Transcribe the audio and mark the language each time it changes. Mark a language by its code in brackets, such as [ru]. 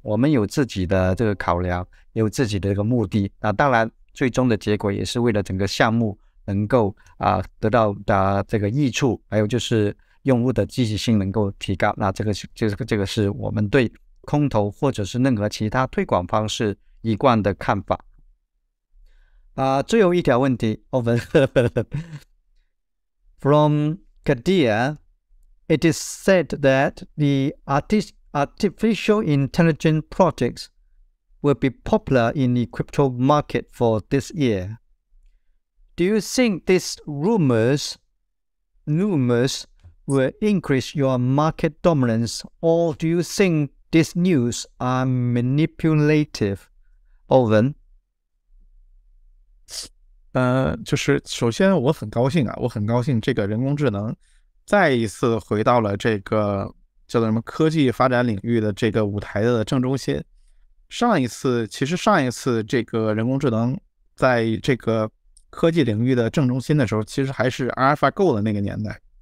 [zh] 我们有自己的这个考量，有自己的这个目的，当然最终的结果也是为了整个项目能够得到这个益处，还有就是用户的积极性能够提高。那这个是我们对空投或者是任何其他推广方式一贯的看法。最后一条问题 [en] Owen from Kadia, it is said that the artificial intelligence projects will be popular in the crypto market for this year. Do you think these rumors will increase your market dominance, or do you think these news are manipulative, Owen? [zh] 就是首先我很高兴啊，我很高兴这个人工智能再一次回到了这个叫做什么科技发展领域的这个舞台的正中心。上一次这个人工智能在这个科技领域的正中心的时候，其实还是 AlphaGo 的那个年代。